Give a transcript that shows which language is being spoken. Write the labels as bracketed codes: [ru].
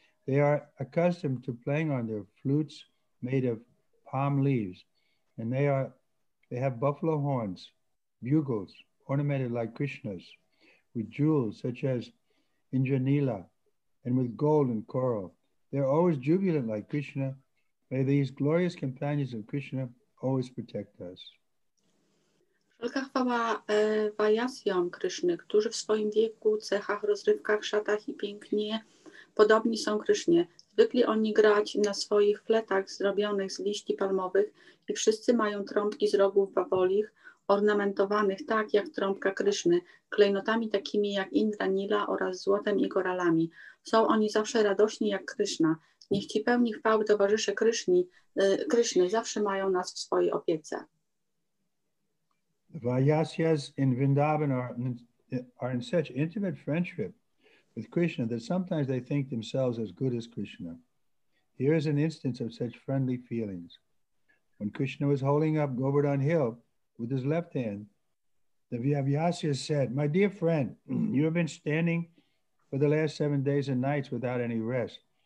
[en] They are accustomed to playing on their flutes made of palm leaves, and they have buffalo horns, bugles, ornamented like Krishna's, with jewels such as Indranila, and with gold and coral. They're always jubilant like Krishna. May these glorious companions of Krishna always protect us. [pl] Wszelka chwała Vayasyom Kryszny, którzy w swoim wieku, cechach, rozrywkach, szatach i pięknie podobni są Krysznie. Zwykli oni grać na swoich fletach zrobionych z liści palmowych i wszyscy mają trąbki z rogów bawolich, ornamentowanych tak jak trąbka Kryszny, klejnotami takimi jak Indranila oraz złotem i koralami. Są oni zawsze radośni jak Kryszna. Niech ci pełni chwały towarzysze Kryszny zawsze mają nas w swojej opiece. [en] The Vayasyas in Vrindavan are in such intimate friendship with Krishna that sometimes they think themselves as good as Krishna. Here is an instance of such friendly feelings. When Krishna was holding up Govardhan Hill with his left hand, the Vayasyas said, "My dear friend, you have been standing for the last 7 days and nights without any rest.